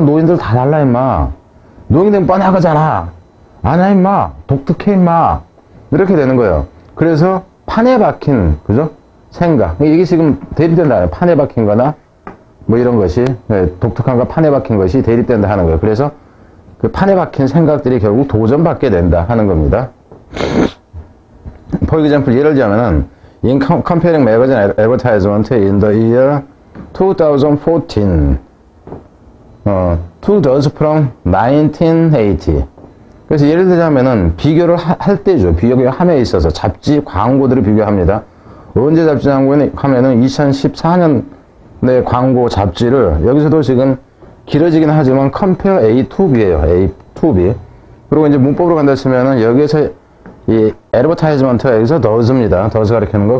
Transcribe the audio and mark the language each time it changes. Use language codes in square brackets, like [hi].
[ko] 노인들 다 달라 임마. 노인들은 뻔한 거잖아. 아니야 임마. 독특해 임마. 이렇게 되는 거예요. 그래서 판에 박힌 그죠 생각. 이게 지금 대립된다. 판에 박힌 거나 뭐 이런 것이 독특한 거 판에 박힌 것이 대립된다 하는 거예요. 그래서 그 판에 박힌 생각들이 결국 도전받게 된다 하는 겁니다. [en] For example, [ko] 예를 들자면은 [en] In comparing magazine advertisement in the year 2014 to those from 1980. [ko] 그래서 예를 들자면은 비교를 할 때죠. 비교함에 있어서 잡지 광고들을 비교합니다. 언제 잡지 광고는 하면은 2014년의 광고 잡지를 여기서도 지금 길어지긴 하지만 [en] compare A to B [ko] 예요. A to B. 그리고 이제 문법으로 간다 치면은 여기에서 이 advertisement가 여기서 does입니다. does가 가리키는 거.